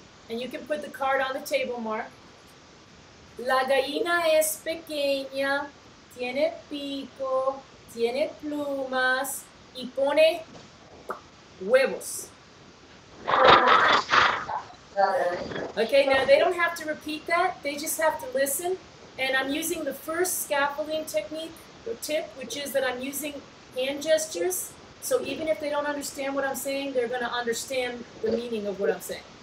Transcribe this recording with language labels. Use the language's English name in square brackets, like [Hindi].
[English] And you can put the card on the table, Mark. [Spanish] La gallina es pequeña, tiene pico, tiene plumas, y pone huevos. [English] Okay, now they don't have to repeat that. They just have to listen. And I'm using the first scaffolding technique, the tip, which is that I'm using hand gestures. So even if they don't understand what I'm saying, they're going to understand the meaning of what I'm saying.